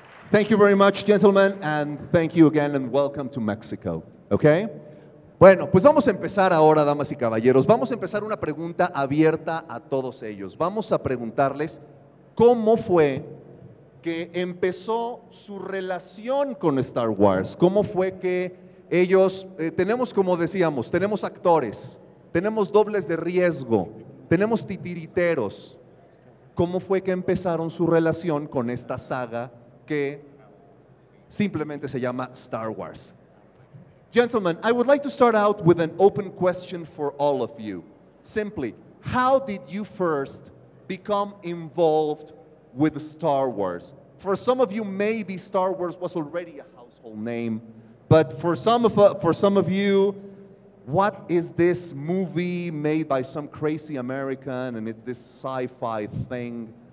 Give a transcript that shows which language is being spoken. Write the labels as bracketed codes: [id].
[en] Thank you very much, gentlemen, and thank you again and welcome to Mexico, okay? [es] Bueno, pues vamos a empezar ahora, damas y caballeros. Vamos a empezar una pregunta abierta a todos ellos. Vamos a preguntarles cómo fue que empezó su relación con Star Wars. Cómo fue que ellos, tenemos, como decíamos, tenemos actores, tenemos dobles de riesgo, tenemos titiriteros. ¿Cómo fue que empezaron su relación con esta saga que simplemente se llama Star Wars? [en] Gentlemen, I would like to start out with an open question for all of you. Simply, how did you first become involved with Star Wars? For some of you, maybe Star Wars was already a household name, but for some of you, what is this movie made by some crazy American and it's this sci-fi thing?